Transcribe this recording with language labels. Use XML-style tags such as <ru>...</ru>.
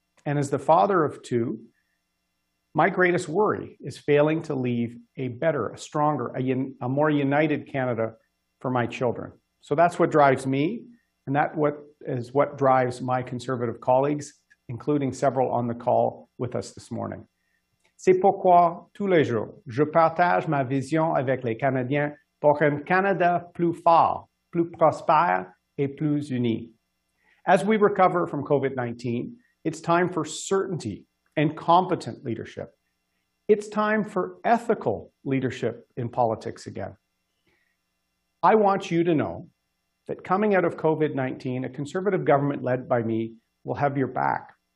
<en>And as the father of two, my greatest worry is failing to leave a better, a stronger, a more united Canada for my children. So that's what drives me, and that what is what drives my Conservative colleagues, including several on the call with us this morning.</en> <fr>C'est pourquoi tous les jours, je partage ma vision avec les Canadiens pour un Canada plus fort, plus prospère et plus uni.</fr> <en>As we recover from COVID-19, it's time for certainty and competent leadership. It's time for ethical leadership in politics again. I want you to know that coming out of COVID-19, a Conservative government led by me will have your back.</en>